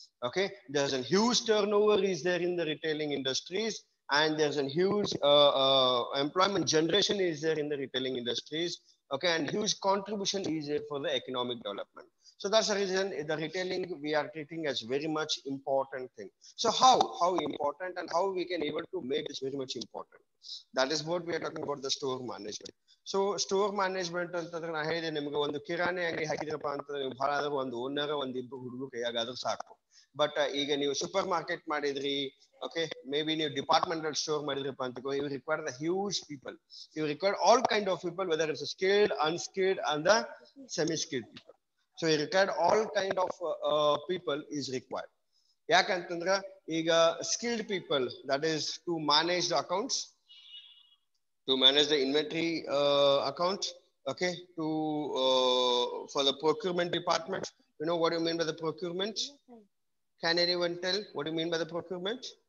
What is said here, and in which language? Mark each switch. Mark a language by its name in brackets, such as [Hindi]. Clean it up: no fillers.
[English] Okay, there's a huge turnover is there in the retailing industries, and there's a huge employment generation is there in the retailing industries. Okay, and huge contribution is there for the economic development. So that's the reason the retailing we are treating as very much important thing. So how important and how we can able to make this very much important. That is what we are talking about, the store management. [Kannada] So store management ಅಂತಂದ್ರೆ ನಾನು ಹೇಳಿದೆ ನಿಮಗೆ ಒಂದು ಕಿರಾಣಿ ಅಂಗಡಿ ಹಾಕಿದ್ರಪ್ಪ ಅಂತಂದ್ರೆ ನೀವು ಬಹಳ ಆದ್ರೆ ಒಂದು ಓನರ್ ಒಂದಿಬ್ಬರು ಹುಡುಗರು ಕೈಯಾಗಾದ್ರೂ ಸಾಕು. ಬಟ್ ಈಗ ನೀವು ಸೂಪರ್ ಮಾರ್ಕೆಟ್ ಮಾಡಿದ್ರಿ, ಓಕೆ, ಮೇ ಬಿ ನೀವು ಡಿಪಾರ್ಟ್ಮೆಂಟಲ್ ಸ್ಟೋರ್ ಮಾಡಿದ್ರಪ್ಪ ಅಂತ, [English] You require the huge people. You require all kind of people, whether it's skilled, unskilled and the semi skilled people. So you require all kind of people is required. [Kannada] ಯಾಕಂತಂದ್ರೆ ಈಗ [English] Skilled people that is to manage the accounts, to manage the inventory account, okay, to for the procurement department. You know what you mean by the procurement? Can anyone tell what do you mean by the procurement?